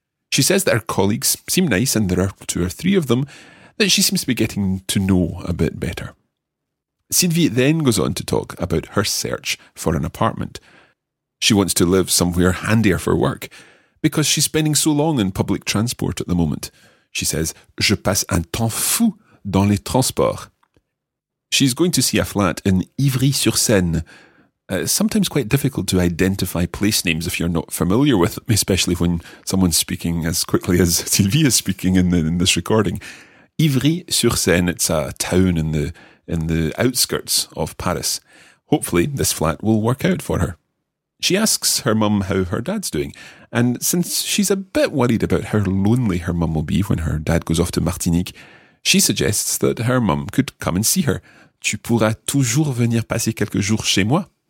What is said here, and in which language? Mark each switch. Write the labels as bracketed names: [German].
[English] She says that her colleagues seem nice, and there are two or three of them that she seems to be getting to know a bit better. Sylvie then goes on to talk about her search for an apartment. She wants to live somewhere handier for work, because she's spending so long in public transport at the moment. She says, [French] je passe un temps fou dans les transports. [English] She's going to see a flat in Ivry-sur-Seine. Sometimes quite difficult to identify place names if you're not familiar with them, especially when someone's speaking as quickly as Sylvie is speaking in this recording. Ivry-sur-Seine, it's a town in the outskirts of Paris. Hopefully this flat will work out for her. She asks her mum how her dad's doing, and since she's a bit worried about how lonely her mum will be when her dad goes off to Martinique, she suggests that her mum could come and see her. [French] Tu pourras toujours venir passer quelques jours chez moi?